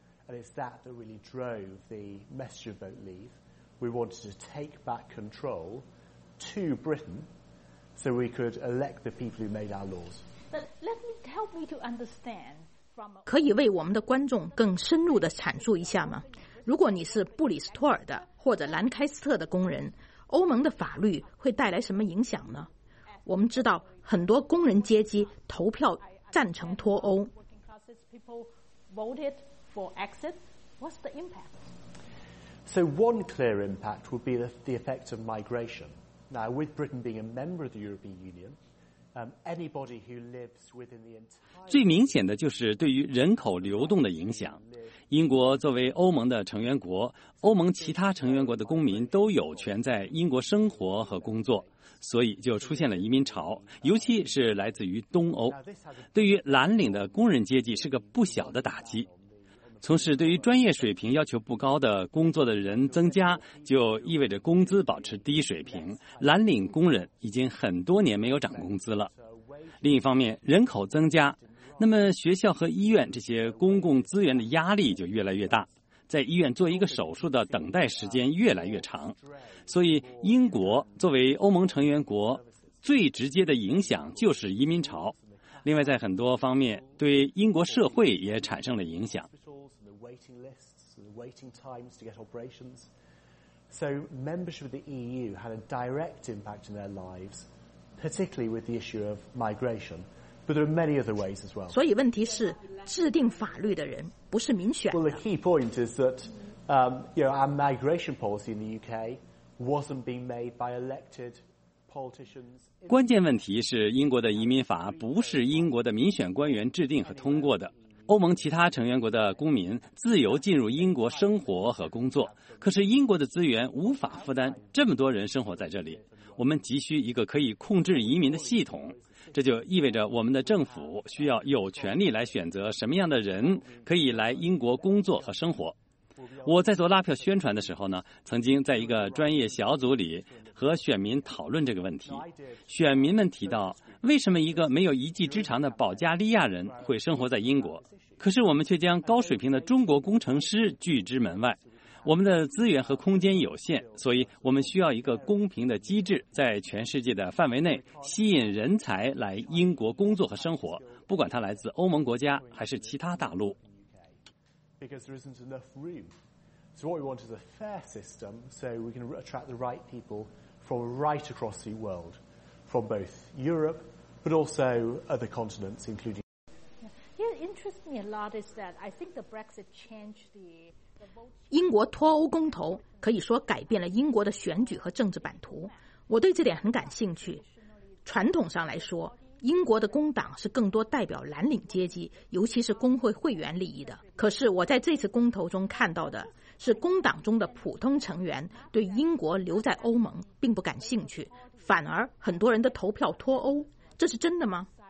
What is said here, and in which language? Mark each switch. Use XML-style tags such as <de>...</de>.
<en>And it's that that really drove the message of vote leave. We wanted to take back control to Britain so we could elect the people who made our laws. But let me help me to understand from.</en> <zh>可以为我们的观众更深入地阐述一下吗？如果你是布里斯托尔的或者兰开斯特的工人，欧盟的法律会带来什么影响呢？我们知道很多工人阶级投票赞成脱欧。</zh> <en>For exit, what's the impact? So one clear impact would be the effect of migration. Now, with Britain being a member of the European Union, anybody who lives within the entire</en> <zh>最明显的就是对于人口流动的影响。英国作为欧盟的成员国，欧盟其他成员国的公民都有权在英国生活和工作，所以就出现了移民潮，尤其是来自于东欧，对于蓝领的工人阶级是个不小的打击。从事对于专业水平要求不高的工作的人增加，就意味着工资保持低水平。蓝领工人已经很多年没有涨工资了。另一方面，人口增加，那么学校和医院这些公共资源的压力就越来越大，在医院做一个手术的等待时间越来越长。所以英国作为欧盟成员国，最直接的影响就是移民潮。另外，在很多方面对英国社会也产生了影响。</zh> <en>Waiting lists and waiting times to get operations. So membership of the EU had a direct impact in their lives, particularly with the issue of migration. But there are many other ways as well.</en> <zh>所以问题是，制定法律的人不是民选的。</zh> <en>Well, the key point is that, you know, our migration policy in the UK wasn't being made by elected politicians.</en> <zh>关键问题是，英国的移民法不是英国的民选官员制定和通过的。欧盟其他成员国的公民自由进入英国生活和工作，可是英国的资源无法负担这么多人生活在这里。我们急需一个可以控制移民的系统，这就意味着我们的政府需要有权利来选择什么样的人可以来英国工作和生活。我在做拉票宣传的时候呢，曾经在一个专业小组里和选民讨论这个问题。选民们提到，为什么一个没有一技之长的保加利亚人会生活在英国，可是我们却将高水平的中国工程师拒之门外。我们的资源和空间有限，所以我们需要一个公平的机制，在全世界的范围内吸引人才来英国工作和生活，不管他来自欧盟国家还是其他大陆。</zh> <en>Because there isn't enough room. So what we want is a fair system so we can attract the right people from right across the world, from both Europe, but also other continents, including... Yeah, it interests me a lot is that I think the Brexit changed the...</en> <zh>英国脱欧公投可以说改变了英国的选举和政治版图。我对这点很感兴趣。传统上来说，英国的工党是更多代表蓝领阶级，尤其是工会会员利益的。可是我在这次公投中看到的是，工党中的普通成员对英国留在欧盟并不感兴趣，反而很多人的投票脱欧，这是真的吗？</zh>